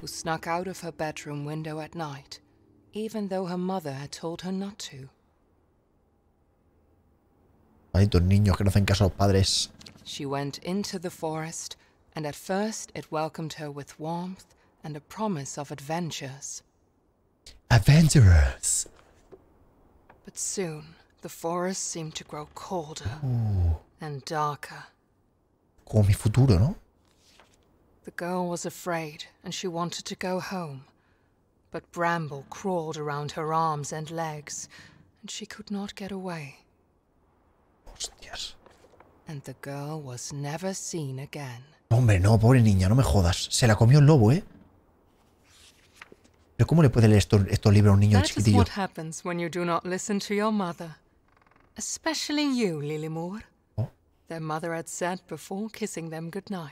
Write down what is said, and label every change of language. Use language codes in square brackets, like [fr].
[en] Who snuck out of her bedroom window at night, even though her mother had told her not to. [es] Hay dos niños que no hacen caso a los padres. [en] She went into the forest, and at first it welcomed her with warmth. And a promise of adventures. Adventurers. But soon, the forest seemed to grow colder and darker. [es] Como mi futuro, ¿no? [en] The girl was afraid, and she wanted to go home. But Bramble crawled around her arms and legs, and she could not get away. [es] Hostias. [en] And the girl was never seen again. [es] Hombre, no, pobre niña, no me jodas. Se la comió el lobo, ¿eh? ¿Pero cómo le puede leer estos libros a un niño chiquitillo? [en] That is what happens when you do not listen to your mother. Especially you, Lilimore. Their mother had said before kissing them goodnight.